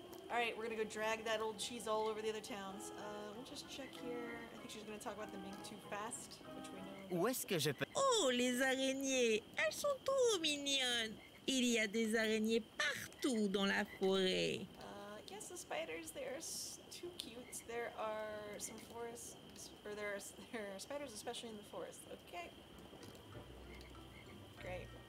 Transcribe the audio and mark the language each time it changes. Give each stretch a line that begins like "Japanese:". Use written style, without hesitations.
English: All right, we're gonna go drag that old cheese all over the other towns. We'll just check here. I think she's gonna talk about them being too fast, which we know.
French: Où est-ce que je peux... Oh, les araignées! Elles sont trop mignonnes! Il y a des araignées partout dans la forêt.
English: I guess the spiders, they're too cute. There are some forests... Or there are spiders, especially in the forest. Okay. Great.